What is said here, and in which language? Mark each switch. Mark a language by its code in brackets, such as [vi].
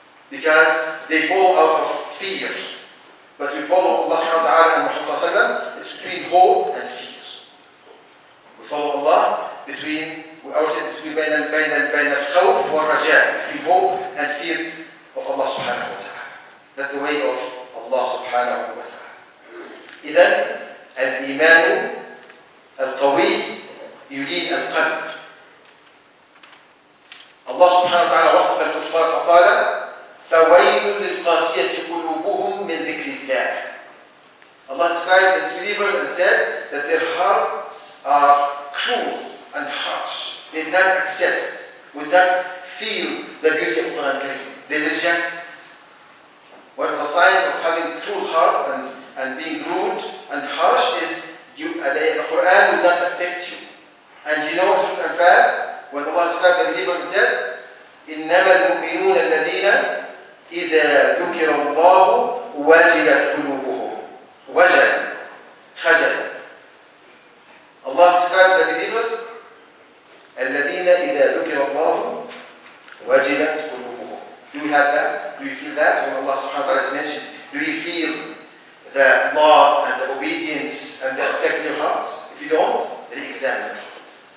[en] Because they fall out of fear. But we follow Allah subhanahu wa ta'ala and Muhammad sallallahu alayhi wa sallam, it's between hope and fear. We follow Allah between, we always say between [ar] bayna al-khawf wa raja, [en] between hope and fear of Allah subhanahu wa ta'ala. That's the way of [ar] الله سبحانه وتعالى. إذن الإيمان القوي يلين القلب. الله سبحانه وتعالى وصف الكفار فقال: فويل للقاسية قلوبهم من ذكر الله. [en] الله described the believers and said that their hearts are cruel and harsh. They did not accept, would not feel the beauty of Quran al-Kareem. They reject. One of the signs of having cruel heart and being rude and harsh is the Quran will not affect you. And you know Surah Al-Anfal, when Allah described the believers, he said, [ar] إِنَّمَا الْمُؤْمِنُونَ الَّذِينَ إِذَا ذُكِرَ اللَّهُ وَجِلَتْ قُلُوبُهُمْ وَجَلْ خَجَلْ. [en] Allah describe the believers? [ar] الذين إذا ذكر الله وجلت قلوبهم. [en] Do you have that? Do you feel that when Allah subhanahu wa ta'ala is mentioned? Do you feel the love and the obedience and the effect in your hearts? If you don't, re-examine your heart.